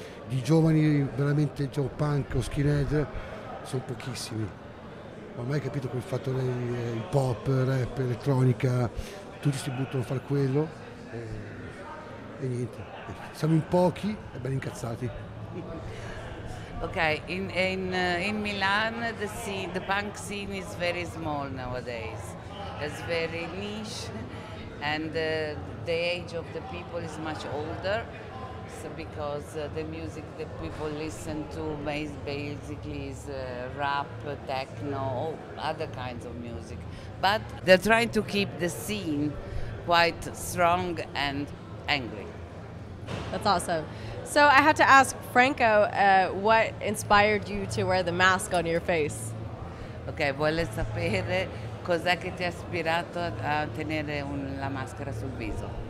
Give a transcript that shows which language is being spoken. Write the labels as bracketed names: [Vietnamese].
[Italian] Di giovani veramente, diciamo, punk o skinhead sono pochissimi. Ormai capito quel fatto del pop, rap, elettronica, tutti si buttano a fare quello. E niente, siamo in pochi e ben incazzati. [English] Ok, in Milan the punk scene is very small nowadays. It's very niche and the age of the people is much older. So because the music that people listen to basically is rap, techno, all other kinds of music. But they're trying to keep the scene quite strong and angry. That's awesome. So I had to ask Franco, what inspired you to wear the mask on your face? [Italian] Okay, vuole sapere cos'è che ti ha ispirato a tenere la maschera sul viso?